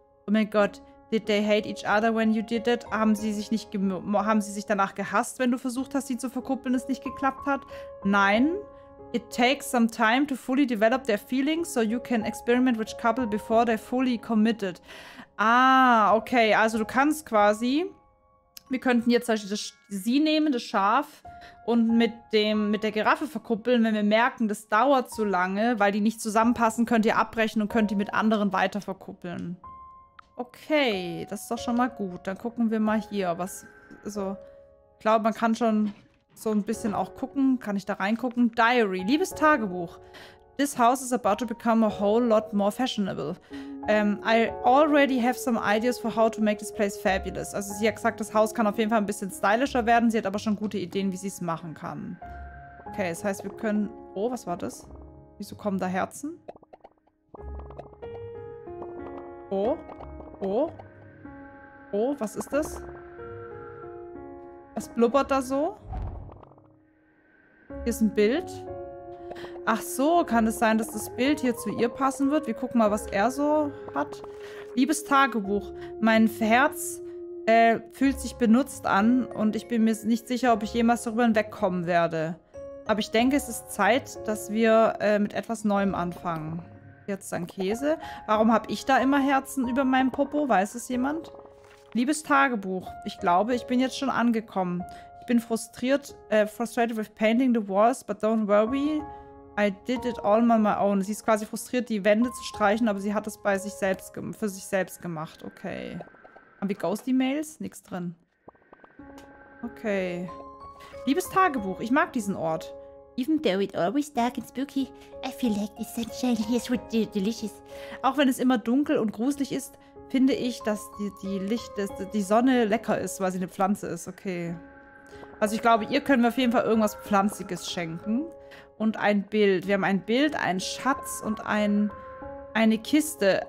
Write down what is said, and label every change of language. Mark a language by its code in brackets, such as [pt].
[de] Oh mein Gott, [en] did they hate each other when you did it? [de] Haben sie sich danach gehasst, wenn du versucht hast, sie zu verkuppeln, es nicht geklappt hat? Nein. [en] It takes some time to fully develop their feelings, so you can experiment which couple before they fully committed. [de] Ah, okay, also du kannst quasi, wir könnten jetzt zum Beispiel sie nehmen, das Schaf, und mit der Giraffe verkuppeln, wenn wir merken, das dauert zu lange, weil die nicht zusammenpassen, könnt ihr abbrechen und könnt die mit anderen weiter verkuppeln. Okay, das ist doch schon mal gut. Dann gucken wir mal hier, was. Also, ich glaube, man kann schon so ein bisschen auch gucken. Kann ich da reingucken? [en] Diary, [de] liebes Tagebuch. [en] This house is about to become a whole lot more fashionable. I already have some ideas for how to make this place fabulous. [de] Also sie hat gesagt, das Haus kann auf jeden Fall ein bisschen stylischer werden. Sie hat aber schon gute Ideen, wie sie es machen kann. Okay, das heißt, wir können... Oh, was war das? Wieso kommen da Herzen? Oh? Oh? Oh, was ist das? Was blubbert da so? Hier ist ein Bild. Ach so, kann es sein, dass das Bild hier zu ihr passen wird? Wir gucken mal, was er so hat. Liebes Tagebuch, mein Herz fühlt sich benutzt an und ich bin mir nicht sicher, ob ich jemals darüber hinwegkommen werde. Aber ich denke, es ist Zeit, dass wir mit etwas Neuem anfangen. Jetzt dann Käse. Warum habe ich da immer Herzen über meinem Popo? Weiß es jemand? Liebes Tagebuch, ich glaube, ich bin jetzt schon angekommen. Ich bin frustriert, [en] frustrated with painting the walls, but don't worry, I did it all on my own. [de] Sie ist quasi frustriert, die Wände zu streichen, aber sie hat es bei sich selbst für sich selbst gemacht. Okay. Haben wir Ghost-E-Mails? Nix drin. Okay. Liebes Tagebuch, ich mag diesen Ort. [en] Even though it's always dark and spooky, I feel like the sunshine is really delicious. [de] Auch wenn es immer dunkel und gruselig ist, finde ich, dass die Sonne lecker ist, weil sie eine Pflanze ist. Okay. Also ich glaube, ihr können wir auf jeden Fall irgendwas Pflanziges schenken. Und ein Bild. Wir haben ein Bild, einen Schatz und eine Kiste.